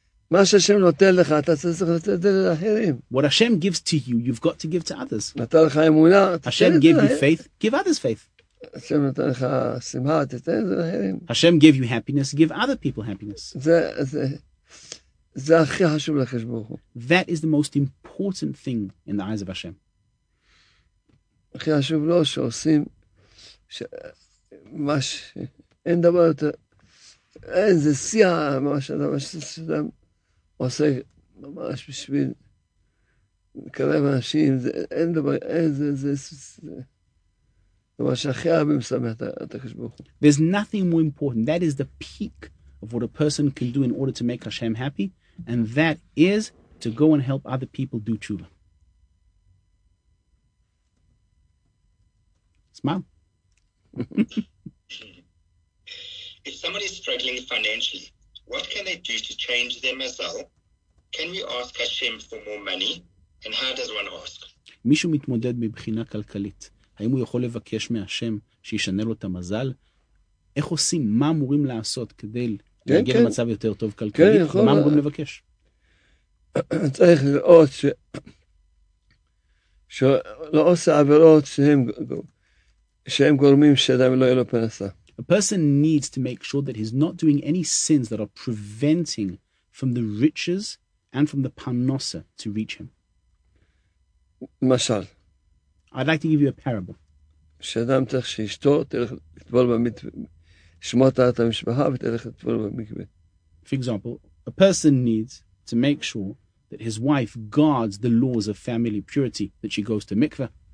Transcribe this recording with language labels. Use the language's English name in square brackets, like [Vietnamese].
[Hebrew] מה שהשם נותן לך, אתה צריך לתת את זה לאחרים. [English] What Hashem gives to you, you've got to give to others. [Hebrew] נתן לך אמונה, תתן את זה. [English] Hashem gave you faith, give others faith. [Hebrew] השם נתן לך שמחה, תתן את זה לאחרים. [English] Hashem gave you happiness, give other people happiness. [Hebrew] זה הכי חשוב לקדוש ברוך הוא. [English] That is the most important thing in the eyes of Hashem. [Hebrew] הכי חשוב לו שעושים, ממש, אין דבר יותר, אין, זה שיא, ממש, ממש, שאדם, עושה ממש בשביל לקרב אנשים, אין דבר, זה מה שהכי הרבה משמח את הקדוש ברוך הוא. [English] There's nothing more important. That is the peak of what a person can do in order to make Hashem happy, and that is to go and help other people do tshuva. Smile. If someone is struggling financially, what can they do to change their mazal? Can we ask Hashem for more money? And how does one ask? [Hebrew] מישהו מתמודד מבחינה כלכלית. האם הוא יכול לבקש מהשם שישנה לו את המזל? איך עושים? מה אמורים לעשות כדי להגיע למצב יותר טוב כלכלית? כן, מה אמורים לבקש? צריך לראות שלא עושה עבירות שהם גורמים שאדם לא יהיה לו פרנסה. [English] A person needs to make sure that he's not doing any sins that are preventing from the riches and from the panosa to reach him. Mashal. I'd like to give you a parable. For example, a person needs to make sure that his wife guards the laws of family purity, that she goes to mikveh.